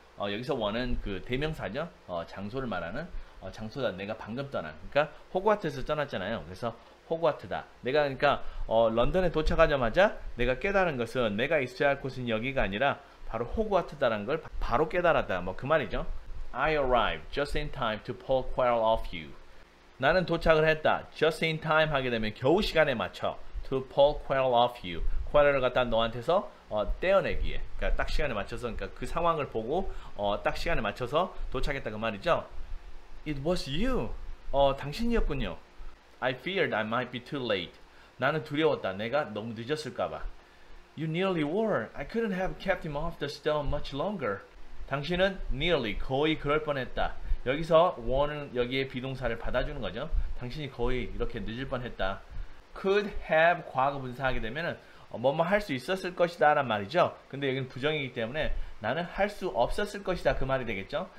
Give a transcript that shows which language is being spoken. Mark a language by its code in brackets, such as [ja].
[ko] 여기서 one은 그 대명사죠. 장소를 말하는 장소다. 내가 방금 떠난, 그러니까 호그와트에서 떠났잖아요. 그래서 호그와트다. 내가 그러니까 런던에 도착하자마자 내가 깨달은 것은 내가 있어야 할 곳은 여기가 아니라 바로 호그와트다라는 걸 바로 깨달았다, 뭐 그 말이죠. [en] I arrived just in time to pull Quirrell off you. [ko] 나는 도착을 했다. just in time 하게 되면 겨우 시간에 맞춰 [en] to pull Quirrell off you. [ko] 쿼레를 갖다 너한테서 떼어내기에, 그러니까 딱 시간에 맞춰서, 그러니까 그 상황을 보고 딱 시간에 맞춰서 도착했다 그 말이죠. [en] It was you. [ko] 당신이었군요. [en] I feared I might be too late. [ko] 나는 두려웠다. 내가 너무 늦었을까봐. [en] You nearly were. I couldn't have kept him off the stone much longer. [ko] 당신은 nearly, 거의 그럴 뻔했다. 여기서 were는 여기에 비동사를 받아주는 거죠. 당신이 거의 이렇게 늦을 뻔했다. Could have 과거분사하게 되면은 뭐뭐 할 수 있었을 것이다 라는 말이죠. 근데 여기는 부정이기 때문에 나는 할 수 없었을 것이다 그 말이 되겠죠.